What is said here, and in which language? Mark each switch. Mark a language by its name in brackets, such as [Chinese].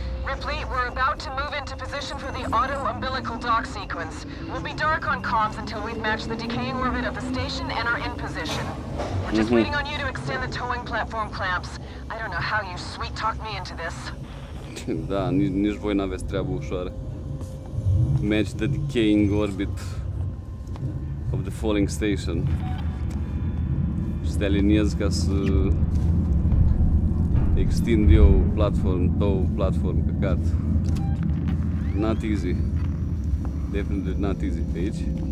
[English] Ripley, we're about to move into position for the auto umbilical dock sequence. We'll be dark on comms until we've matched the decaying orbit of the station and are in position. We're just waiting on you to extend the towing platform clamps. I don't know how you sweet-talked me into this. [Romanian] Da, nici voi n-aveți treabă ușoară. [English] Match the decaying orbit of the falling station. [Romanian] Și te aliniez ca să extind eu platform, tău platform căcat. [English] Not easy. Definitely not easy [Romanian] pe aici.